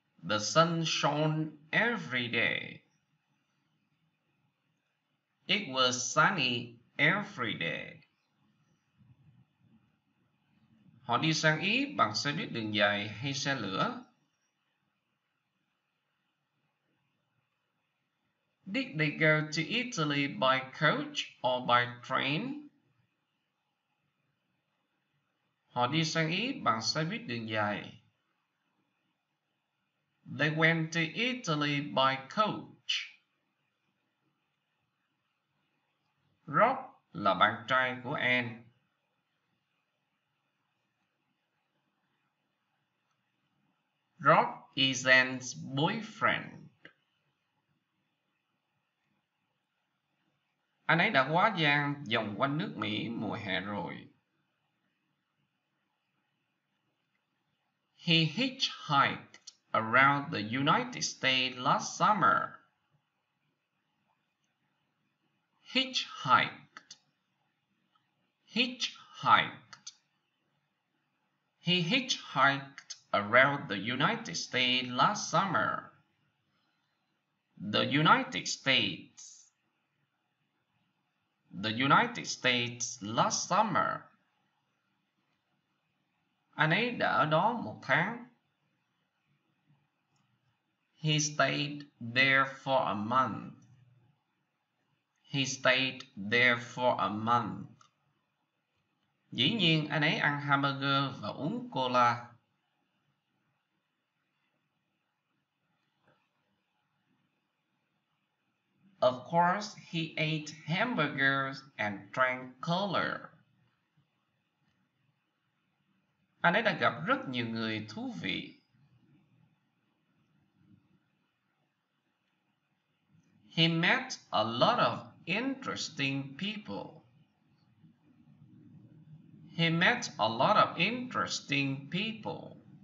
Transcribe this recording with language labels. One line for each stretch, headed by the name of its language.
English: The sun shone every day. It was sunny every day.
Vietnamese: Họ đi sang Ý bằng xe buýt đường dài hay xe lửa?
English: Did they go to Italy by coach or by train?
Vietnamese: Họ đi sang Ý bằng xe buýt đường dài.
English: They went to Italy by coach.
Vietnamese: Rob là bạn trai của Anne.
English: Rob is Anne's boyfriend.
Vietnamese: Anh ấy đã quá giang vòng quanh nước Mỹ mùa hè rồi.
English: He hitchhiked around the United States last summer. Hitchhiked. Hitchhiked. He hitchhiked around the United States last summer. The United States. The United States last summer.
Vietnamese: Anh ấy đã ở đó một tháng.
English: He stayed there for a month. He stayed there for a month.
Vietnamese: Dĩ nhiên anh ấy ăn hamburger và uống cola.
English: Of course he ate hamburgers and drank cola.
Vietnamese: Anh ấy đã gặp rất nhiều người thú vị.
English: He met a lot of interesting people. He met a lot of interesting people.